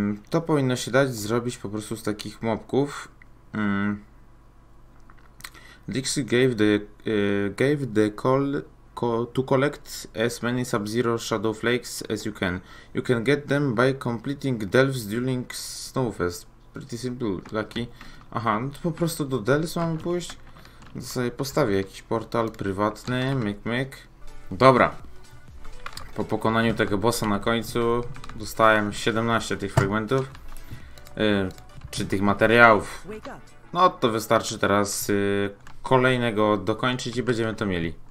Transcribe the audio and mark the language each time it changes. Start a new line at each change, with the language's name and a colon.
Polish: To powinno się dać zrobić po prostu z takich mobków.
English: Dixie gave the call to collect as many Sub-Zero Shadow Flakes as you can. You can get them by completing delves during Snowfest. Pretty simple, lucky.
Polish: Aha, no to po prostu do Delsu mamy pójść. To sobie postawię jakiś portal prywatny, myk myk. Dobra. Po pokonaniu tego bossa na końcu dostałem 17 tych fragmentów. Czy tych materiałów. No to wystarczy teraz kolejnego dokończyć i będziemy to mieli.